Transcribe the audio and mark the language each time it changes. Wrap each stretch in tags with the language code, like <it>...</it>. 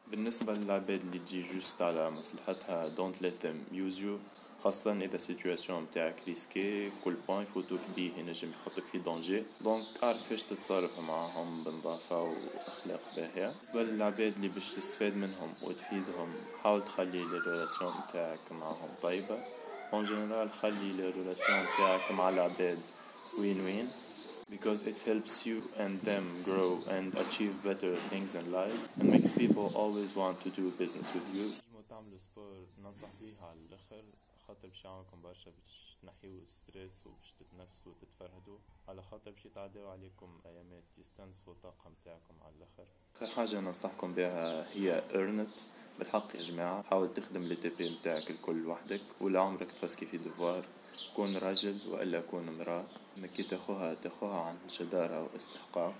<ar>بالنسبه للعباد اللي تجي جوست على مصلحتها</ar> <en>don't let them use you،</en> <ar>خاصه اذا سيتواسيون نتاعك ريسكي كل بوين فوتو بيه ينجم يحطك في دونجي، دونك عارف كيفاش تتصرف معاهم بنظافه واخلاق باهيه. بالنسبه للعباد اللي باش تستفاد منهم وتفيدهم حاول تخلي الريلاسيون نتاعك معاهم طيبه. اون جينيرال خلي الريلاسيون نتاعك مع العباد وين وين،</ar> <en>because it helps you and them grow and achieve better things in life and makes people always want to do business with you.</en> <ar>تعملوا سبور ننصح بيها على الاخر، خاطر باش يعاونكم برشا باش تنحيو الستريس وباش تتنفسوا وتتفرهدوا، على خاطر باش يتعداو عليكم ايامات يستنزفوا الطاقه نتاعكم على الاخر. اخر حاجه ننصحكم بها هي ارنت بالحق يا جماعه، حاول تخدم لي تي بي نتاعك الكل وحدك ولا عمرك تفسكي في دوار، كون راجل والا كون امراه، ما كي تاخوها تاخوها عن جداره واستحقاق.</ar>